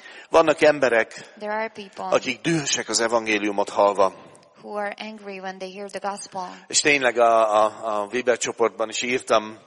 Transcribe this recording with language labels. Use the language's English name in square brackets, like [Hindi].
[Hungarian] Vannak emberek, akik dühösek az evangéliumot hallva. [English] Who are angry when they hear the gospel. [Hungarian] És tényleg a Viber csoportban is írtam,